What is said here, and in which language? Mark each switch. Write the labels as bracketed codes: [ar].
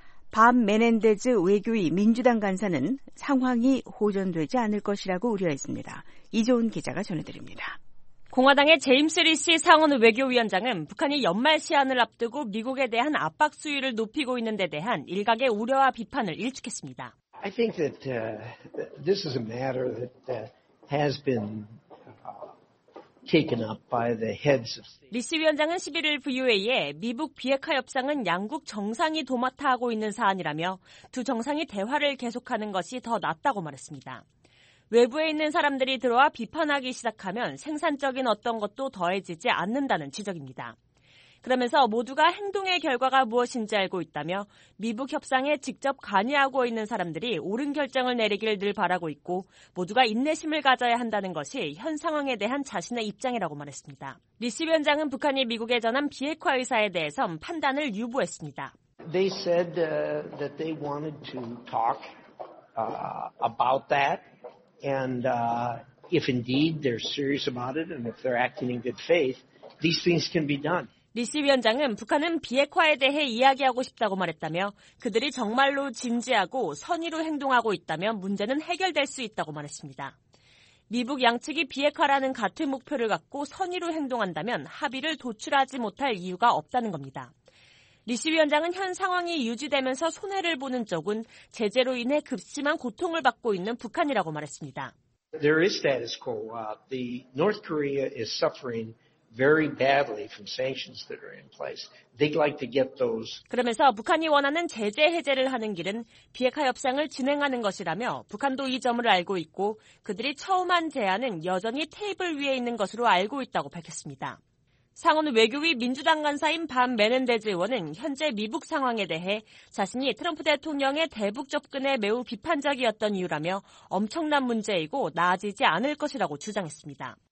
[ko] 밤 메넨데즈 외교위 민주당 간사는 상황이 호전되지 않을 것이라고 우려했습니다. 이재훈 기자가 전해드립니다. 공화당의 제임스 리시 상원 외교위원장은 북한이 연말 시한을 앞두고 미국에 대한 압박 수위를 높이고 있는 데 대한 일각의 우려와 비판을 일축했습니다. [en] I think that this is a matter that has been taken up by the heads of state. [ko] 리시 위원장은 11일 VOA에 미북 비핵화 협상은 양국 정상이 도맡아 하고 있는 사안이라며 두 정상이 대화를 계속하는 것이 더 낫다고 말했습니다. 외부에 있는 사람들이 들어와 비판하기 시작하면 생산적인 어떤 것도 더해지지 않는다는 지적입니다. 그러면서 모두가 행동의 결과가 무엇인지 알고 있다며 미북 협상에 직접 관여하고 있는 사람들이 옳은 결정을 내리길 늘 바라고 있고 모두가 인내심을 가져야 한다는 것이 현 상황에 대한 자신의 입장이라고 말했습니다. 리시 위원장은 북한이 미국에 전한 비핵화 의사에 대해선 판단을 유보했습니다. [en] They said that they wanted to talk about that. And if indeed they're serious about it and if they're acting in good faith, these things can be done. [ko] 리시 위원장은 북한은 비핵화에 대해 이야기하고 싶다고 말했다며 그들이 정말로 진지하고 선의로 행동하고 있다면 문제는 해결될 수 있다고 말했습니다. 미북 양측이 비핵화라는 같은 목표를 갖고 선의로 행동한다면 합의를 도출하지 못할 이유가 없다는 겁니다. 리시 위원장은 현 상황이 유지되면서 손해를 보는 쪽은 제재로 인해 급심한 고통을 받고 있는 북한이라고 말했습니다. [en] There is status quo. The North Korea is suffering very badly from sanctions that are in place. They'd like to get those. [ko] 그러면서 북한이 원하는 제재 해제를 하는 길은 비핵화 협상을 진행하는 것이라며 북한도 이 점을 알고 있고 그들이 처음 한 제안은 여전히 테이블 위에 있는 것으로 알고 있다고 밝혔습니다. 상원 외교위 민주당 간사인 밤 메넨데즈 의원은 현재 미북 상황에 대해 자신이 트럼프 대통령의 대북 접근에 매우 비판적이었던 이유라며 엄청난 문제이고 나아지지 않을 것이라고 주장했습니다.